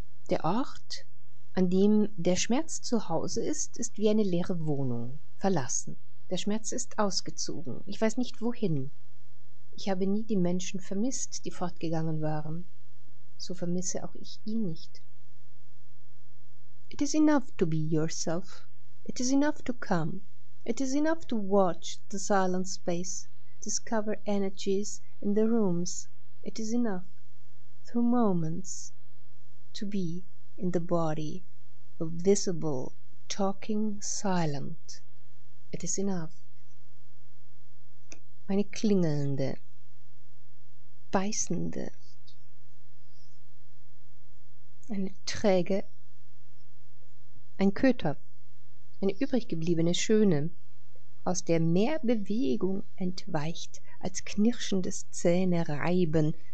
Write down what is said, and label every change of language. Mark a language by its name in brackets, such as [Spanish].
[German] Der Ort, an dem der Schmerz zu Hause ist, ist wie eine leere Wohnung, verlassen. Der Schmerz ist ausgezogen, ich weiß nicht wohin. Ich habe nie die Menschen vermisst, die fortgegangen waren. So vermisse auch ich ihn nicht. [English] It is enough to be yourself. It is enough to come. It is enough to watch the silent space. Discover energies in the rooms. It is enough, through moments, to be in the body, a visible, talking, silent. It is enough. [German] Eine klingelnde, beißende, eine träge, ein Köter, eine übrig gebliebene Schöne, aus der mehr Bewegung entweicht als knirschendes Zähnereiben.